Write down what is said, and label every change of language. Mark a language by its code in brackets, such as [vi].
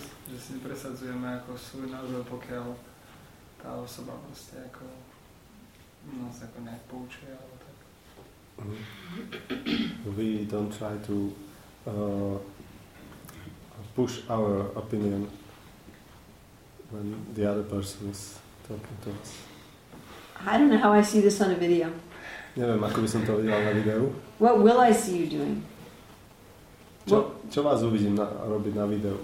[sk] Že si presadzujeme ako svoj názor, pokiaľ tá osoba proste ako nás ako nejak poučuje, alebo tak. [en] We don't try to push our opinion when the other person is talking to us. I don't know how I see this on a video. [sk] Neviem, ako by som to videl na videu. [en] What will I see you doing? [sk] Čo vás uvidím robiť na videu?